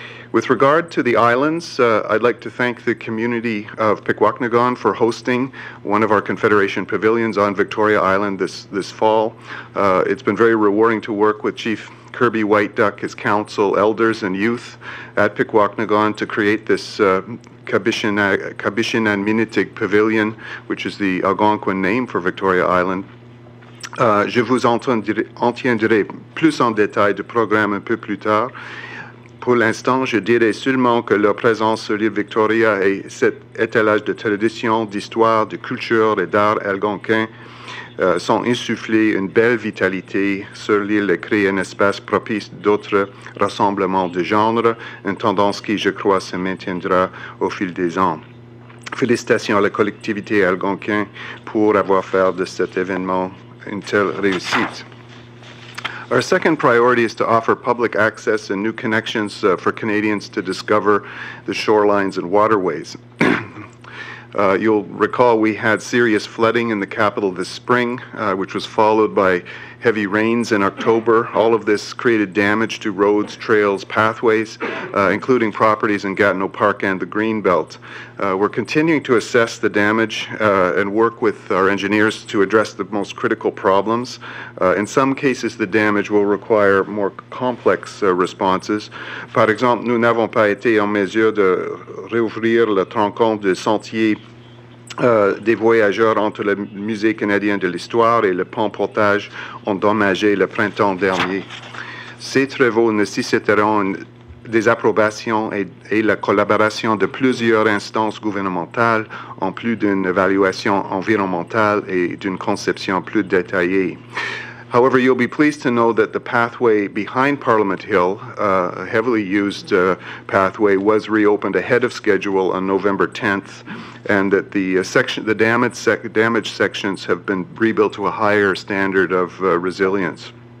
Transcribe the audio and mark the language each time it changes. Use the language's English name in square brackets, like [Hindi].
[English] With regard to the islands, I'd like to thank the community of Pequawknagon for hosting one of our Confederation pavilions on Victoria Island this fall. It's been very rewarding to work with Chief Kirby White Duck, his council, elders, and youth at Pequawknagon to create this Kabishinanminitig Pavilion, which is the Algonquin name for Victoria Island. [French] Je vous entendrai plus en détail du programme un peu plus tard. Pour l'instant, je dirais seulement que leur présence sur l'île Victoria et cet étalage de tradition, d'histoire, de culture et d'art algonquin sont insufflés une belle vitalité sur l'île et créent un espace propice d'autres rassemblements de genre, une tendance qui, je crois, se maintiendra au fil des ans. Félicitations à la collectivité algonquin pour avoir fait de cet événement une telle réussite. [English] Our second priority is to offer public access and new connections for Canadians to discover the shorelines and waterways. you'll recall we had serious flooding in the capital this spring, which was followed by heavy rains in October. All of this created damage to roads, trails, pathways, including properties in Gatineau Park and the Greenbelt. We're continuing to assess the damage and work with our engineers to address the most critical problems. In some cases, the damage will require more complex responses. [French] Par exemple, nous n'avons pas été en mesure de réouvrir le tronçon de sentier des voyageurs entre le Musée canadien de l'histoire et le pont portage endommagé le printemps dernier. Ces travaux nécessiteront des approbations et la collaboration de plusieurs instances gouvernementales en plus d'une évaluation environnementale et d'une conception plus détaillée. [English] However, you'll be pleased to know that the pathway behind Parliament Hill, a heavily used pathway, was reopened ahead of schedule on November 10th, and that the damaged sections have been rebuilt to a higher standard of resilience.